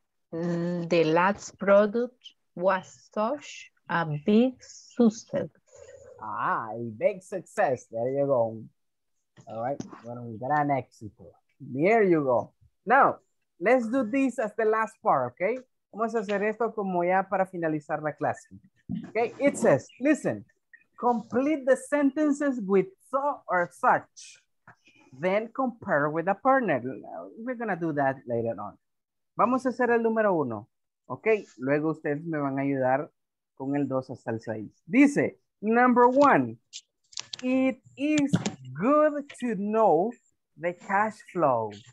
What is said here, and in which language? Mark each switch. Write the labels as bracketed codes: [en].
[en] The last product was such a big success. Ah, a big success. There you go. All right, bueno, we got an éxito. There you go. Now, let's do this as the last part, okay? [es] Vamos a hacer esto como ya para finalizar la clase. [en] Okay, it says, listen, complete the sentences with so or such, then compare with a partner. We're gonna do that later on. [es] Vamos a hacer el número uno, [en] okay? [es] Luego ustedes me van a ayudar con el dos hasta el seis. [en] Dice, number one, it is good to know the cash flow.